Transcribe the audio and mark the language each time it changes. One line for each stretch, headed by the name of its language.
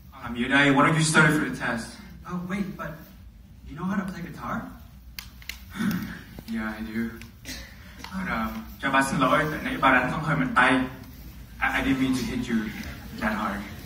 English: Yudai, why don't you study for the test? Oh, wait, but you know how to play guitar? Yeah, I do.
Vietnamese: But, cho ba xin lỗi, tại nãy ba đánh không hơi mạnh tay.
English: I didn't mean to hit you that hard.